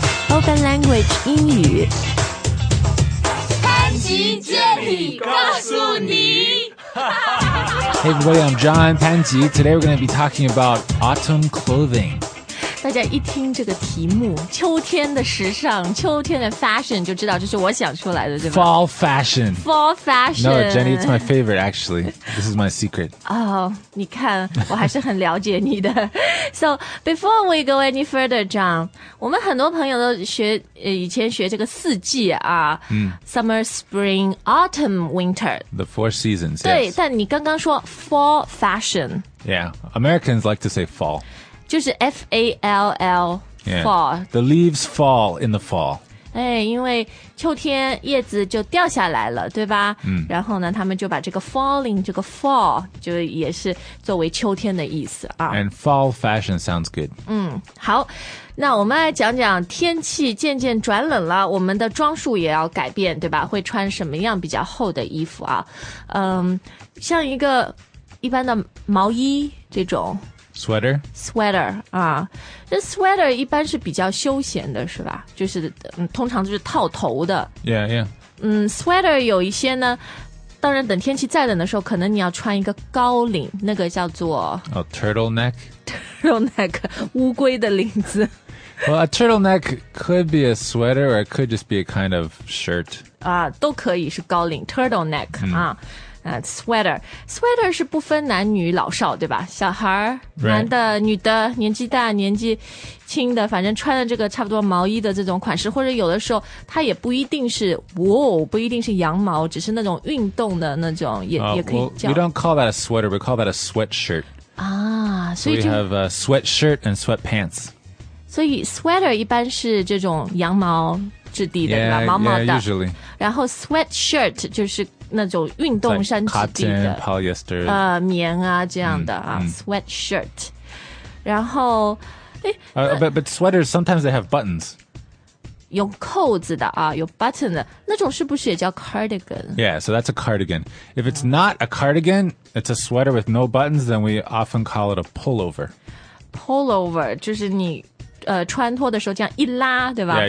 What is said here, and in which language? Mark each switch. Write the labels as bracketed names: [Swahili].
[Chinese] Open Language 英语，潘吉接力告诉你。 [English] Hey everybody, I'm John Panji. Today we're going to be talking about autumn clothing. [Chinese] 大家一听这个题目，秋天的时尚，秋天的 fashion 就知道这是我想出来的，对吧？ [English] Fall fashion. Fall fashion. No, Jenny, it's my favorite, actually. This is my secret. [Chinese] Oh, 你看，我还是很了解你的。 [English] So, before we go any further, John, [Chinese] 我们很多朋友都学、以前学这个四季啊、 [English] summer, spring, autumn, winter. The four seasons, [Chinese] 对、 [English] yes. [Chinese] 但你刚刚说 fall fashion. [English] Yeah, Americans like to say fall. [Chinese] 就是 F-A-L-L, fall.、 [English] Yeah. The leaves fall in the fall. [Chinese] 哎，因为秋天叶子就掉下来了，对吧？然后呢，他们就把这个 falling 这个 fall 就也是作为秋天的意思啊。 [English] And fall fashion sounds good. [Chinese] 好，那我们来讲讲天气渐渐转冷了，我们的装束也要改变，对吧？会穿什么样比较厚的衣服啊？像一个一般的毛衣这种 [English] sweater。 sweater 啊。 [Chinese] 这 sweater 一般是比较休闲的是吧，就是、通常就是套头的。 [English] Yeah, yeah. [Chinese] Sweater 有一些呢，当然等天气再冷的时候可能你要穿一个高领，那个叫做、 [English] turtleneck. [Chinese] Turtleneck, 乌龟的领子。 [English] Well, a turtleneck could be a sweater or it could just be a kind of shirt. [Chinese] 啊，都可以是高领 turtleneck,、啊。 [English] Sweater. [Chinese] Sweater 是不分男女老少对吧，小孩、男的女的，年纪大年纪轻的，反正穿的这个差不多毛衣的这种款式，或者有的时候它也不一定是不一定是羊毛，只是那种运动的那种 也可以叫。 [English] We don't call that a sweater, we call that a sweatshirt. So we have a sweatshirt and sweatpants. [Chinese] 所以 sweater 一般是这种羊毛质地的 [English] usually. [Chinese] 然后 sweatshirt 就是那种运动衫质地的、 [English] like、cotton, polyester, [Chinese] 棉啊这样的啊、sweatshirt 然后 [English] but sweaters sometimes they have buttons [Chinese] 有扣子的啊，有 button 的那种是不是也叫 cardigan? [English] Yeah, so that's a cardigan. If it's not a cardigan, it's a sweater with no buttons, then we often call it a pullover. [Chinese] Pullover 就是你穿脱的时候这样一拉对吧。